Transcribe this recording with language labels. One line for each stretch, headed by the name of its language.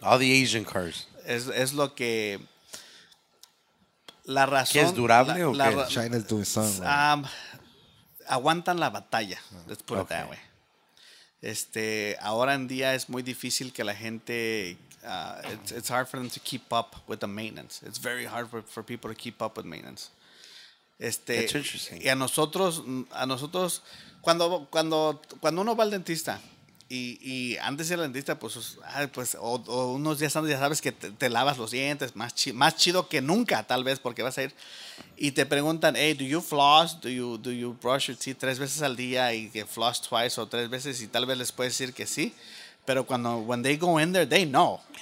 English: All the Asian cars.
Spanish: Es lo que... La razón... ¿Qué es durable o qué?
English: China's doing something.
Spanish: Aguantan la batalla.
English: Let's put it that way.
Spanish: Ahora en día es muy difícil que la gente...
English: it's hard for them to keep up with the maintenance. It's very hard for people to keep up with maintenance. That's interesting.
Spanish: Y a nosotros cuando uno va al dentista y antes de ir al dentista, pues, unos días antes ya sabes que te lavas los dientes, más chido que nunca, tal vez, porque vas a ir. Y te preguntan,
English: hey, do you floss? Do you brush your teeth
Spanish: 3 veces al día y que
English: floss twice o 3 veces?
Spanish: Y tal vez les puedes decir que sí. Pero cuando,
English: when they go in there, they know.